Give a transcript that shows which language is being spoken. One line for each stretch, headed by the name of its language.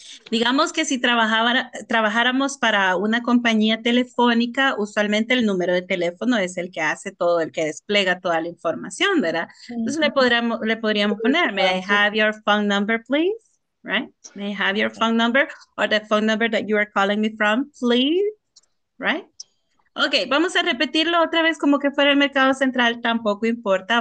Spanish: Digamos que si trabajáramos para una compañía telefónica, usualmente el número de teléfono es el que hace todo, el que despliega toda la información, ¿verdad? Entonces le podríamos poner,
English: may I have your phone number, please? Right? May I have your phone number or the phone number that you are calling me from, please? Right?
Spanish: Ok, vamos a repetirlo otra vez como que fuera el mercado central, tampoco importa.